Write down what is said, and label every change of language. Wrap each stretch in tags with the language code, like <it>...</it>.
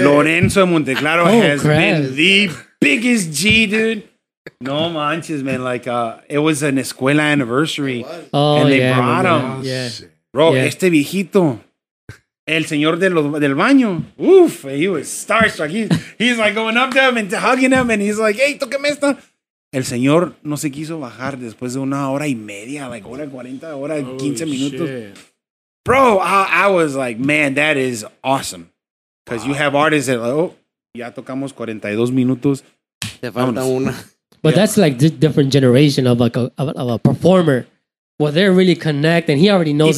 <en>Lorenzo de Monteclaro has been the biggest G, dude.</en> <es>No manches,</es> <en>man. Like, it was an Escuela anniversary. And they brought him.</en> <es>Yeah. Bro, yeah. Este viejito. El señor del baño. Oof.</es> <en>He was starstruck. He's like going up to him and hugging him. And he's like, hey,</en> <es>toqueme esta. El señor no se quiso bajar después de una hora y media. Like, hora 40, hora 15 minutos. Shit.</es> <en>Bro, I was like, man, that is awesome. Because you have artists that are like,</en> <es>ya tocamos 42 minutos. Te falta una.</es> <en>But that's like a different generation of a performer. Well, they're really connect, and he already knows.</en>